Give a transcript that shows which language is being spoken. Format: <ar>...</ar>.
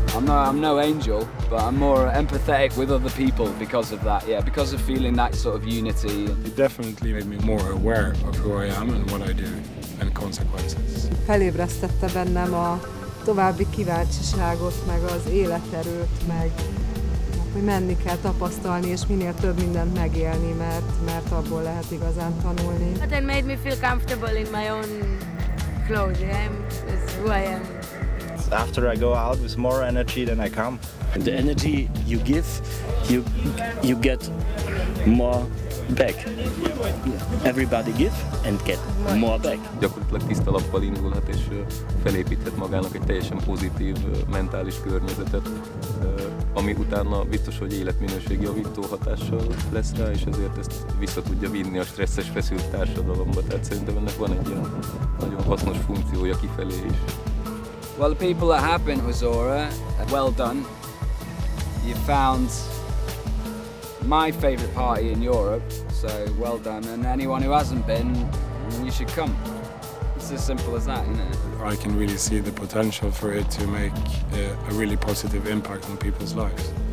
<en>I'm no angel, but I'm more empathetic with other people because of that, yeah, because of feeling that sort of unity. It definitely made me more aware of who I am and what I do and consequences.</en> <hu>Felébresztette bennem a további kíváncsiságot, meg az életerőt, meg hogy menni kell, tapasztalni, és minél több mindent megélni, mert abból lehet igazán tanulni.</hu> <en>But it made me feel comfortable in my own clothes, yeah, it's who I am. After I go out with more energy than I come. The energy you give, you get more back. Everybody give and get more back.</en> <hu>Gyakorlatilag tiszta lappal indulhat és felépíthet magának egy teljesen pozitív mentális környezetet, ami utána biztos, hogy életminőség javító hatással lesz rá, és ezért ezt vissza tudja vinni a stresszes, feszült társadalomba. Tehát szerintem ennek van egy ilyen nagyon hasznos funkciója kifelé is.</hu> <en>Well, the people are happy in Ozora. Well done. You found my favorite party in Europe, so well done. And anyone who hasn't been, you should come. It's as simple as that, isn't it? I can really see the potential for it to make a really positive impact on people's lives.</en>